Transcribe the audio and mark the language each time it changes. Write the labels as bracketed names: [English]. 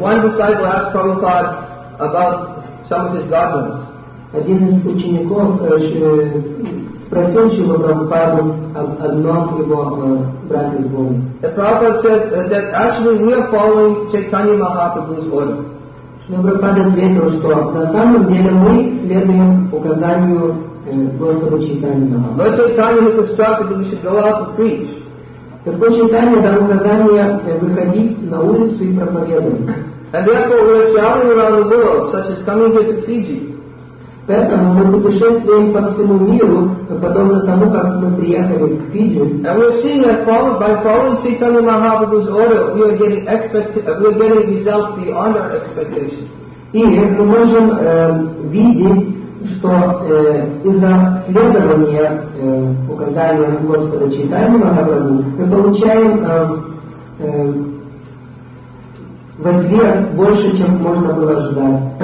[English] One disciple asked Prabhupada about some of his godliness. [Russian] Один из учеников спросил Шрилу Прабхупаду одном его брате из Бога. [English] The Prabhupada said that actually we are following Chaitanya Mahaprabhu's order. [Russian] Шрила Прабхупада ответил, что на самом деле мы следуем указанию Господа Чайтаньи Махапрабху. [English] Lord Chaitanya has instructed that we should go out and preach. [Russian] Господь Чайтанья дал указание выходить на улицу и проповедовать. [English] And therefore we are traveling around the world, such as coming here to Fiji. [Russian] Поэтому мы путешествуем по всему миру, подобно тому, как мы приехали к Фиджи. [English] And we're seeing that by following Chaitanya Mahaprabhu's order, we are getting results beyond our expectation. [Russian] И мы можем видеть, что из-за следования указания Господа Чайтаньи Махапрабху мы получаем в ответ больше, чем можно было ожидать.